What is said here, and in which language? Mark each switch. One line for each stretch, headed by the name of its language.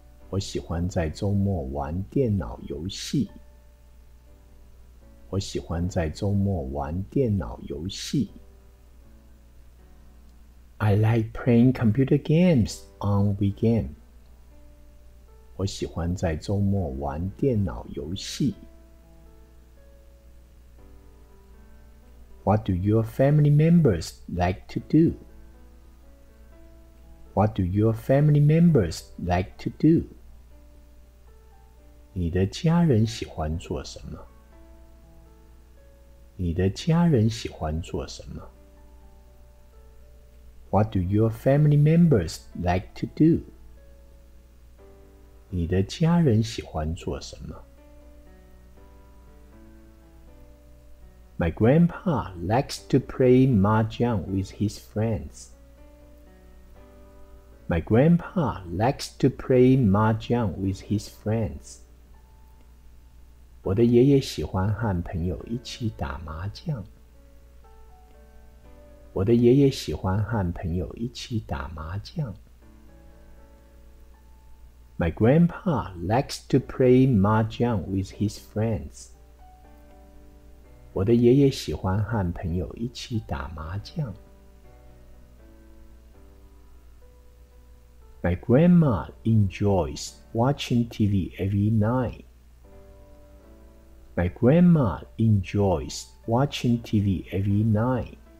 Chinese: 我喜欢在周末玩电脑游戏。我喜欢在周末玩电脑游戏。
English: I like playing computer games on weekend.
Chinese: 我喜欢在周末玩电脑游戏。
English: What do your family members like to do? What do your family members like to do?
Chinese: 你的家人喜欢做什么？你的家人喜欢做什么？
English: What do your family members like to do?
Chinese: 你的家人喜欢做什么？
English: My grandpa likes to play mahjong with his friends. My grandpa likes to play mahjong with his friends.
Chinese: 我的爷爷喜欢和朋友一起打麻将。我的爷爷喜欢和朋友一起打麻将。
English: My grandpa likes to play mahjong with his friends.
Chinese: 我的爷爷喜欢和朋友一起打麻将。
English: My grandma enjoys watching TV every night. My grandma enjoys watching TV every night.